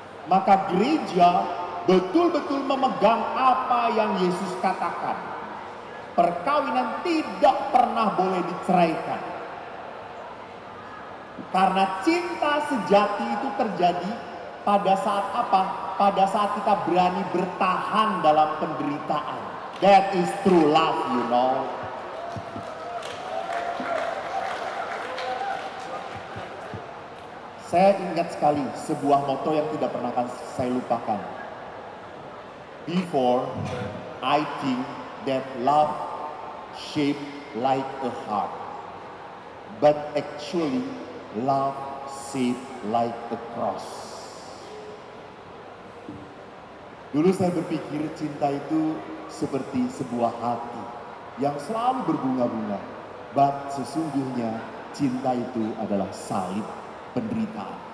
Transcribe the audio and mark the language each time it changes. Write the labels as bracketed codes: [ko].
[id] Maka gereja betul-betul memegang apa yang Yesus katakan. Perkawinan tidak pernah boleh diceraikan. Karena cinta sejati itu terjadi pada saat apa? Pada saat kita berani bertahan dalam penderitaan. [en] That is true love, you know. [id] Saya ingat sekali sebuah moto yang tidak pernah akan saya lupakan. [en] Before I think that love shape like a heart, but actually love shape like a cross. [id] Dulu saya berpikir cinta itu seperti sebuah hati yang selalu berbunga-bunga, but sesungguhnya cinta itu adalah salib penderitaan.